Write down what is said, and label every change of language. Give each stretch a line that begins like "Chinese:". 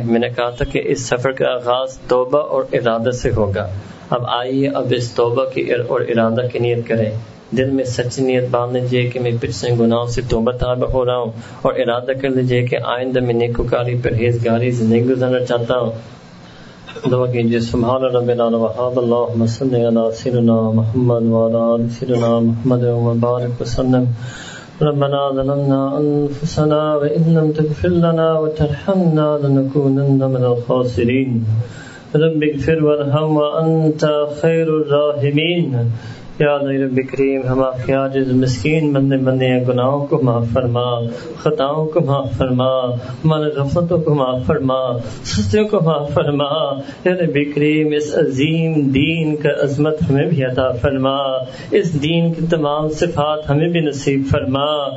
Urdu: میں نے کہا تھا کہ اس سفر کا آغاز توبہ اور ارادہ سے ہوگا. اب آئیے اب اس توبہ کی اور ارادہ کی نیت کریں, دل میں سچی نیت باندھ لیجیے کہ میں پچھلے گناہوں سے توبہ طلب ہو رہا ہوں, اور ارادہ کر لیجیے کہ آئندہ میں نیکوکاری پرہیزگاری زندگی گزارنا چاہتا ہوں. دعا کیجیے.
Arabic: سبحان رب العالمین, اللهم صل علی سيدنا محمد وعلى آل سيدنا محمد وبارک وسلم. ربنا ظلمنا انفسنا وان لم تغفر لنا وترحمنا لنكونن من الخاسرين. رب اغفر وارحم وانت خیر الراحمین.
Urdu: یا اللہ رب کریم, ہم آپ کے عاجز مسکین بندے بندے ہیں, گناہوں کو معاف فرما, خطاؤں کو معاف فرما, ہمارے غفلتوں کو معاف فرما, سستیوں کو معاف فرما. یا رب کریم, اس عظیم دین کا عظمت ہمیں بھی عطا فرما, اس دین کی تمام صفات ہمیں بھی نصیب فرما.